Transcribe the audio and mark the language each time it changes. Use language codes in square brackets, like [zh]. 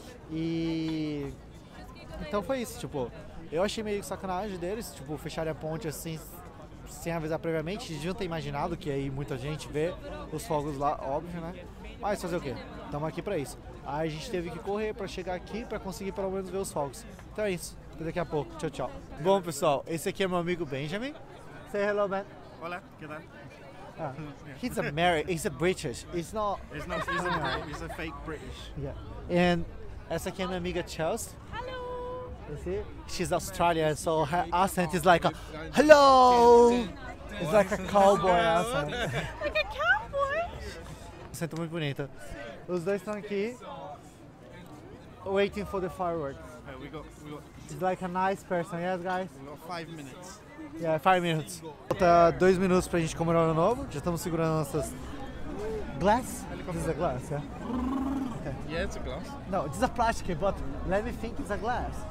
[pt] E então foi isso, tipo, eu achei meio sacanagem deles, tipo, fecharem a ponte assim, sem avisar previamente. Deviam ter imaginado que aí muita gente vê os fogos lá, óbvio, né? Mas fazer o quê? Estamos aqui pra isso. Aí a gente teve que correr pra chegar aqui pra conseguir pelo menos ver os fogos. Então é isso, até daqui a pouco, tchau, tchau. Bom, pessoal, esse aqui é meu amigo Benjamin. [en] Say hello, man. [pt] Olá, que tal? [en] He's American, he's a British, he's not... He's not, he's a American, he's a fake British. Yeah, and... [pt] Essa aqui é minha amiga Chelsea. [en] Hello! [pt] Você? [en] She's Australian, so her accent is like a hello! It's like a cowboy accent. Like a cowboy? [pt] Você tá muito bonita. Os dois estão aqui. [en] Waiting for the fireworks. It's like a nice person, yes, guys? We got 5 minutes. Yeah, 5 minutes. [pt] Falta 2 minutos pra gente comemorar o ano novo. Já estamos segurando nossas. [en] Glass? This is a glass, yeah? Yeah, it's a glass. No, it's a plastic, but let me think it's a glass.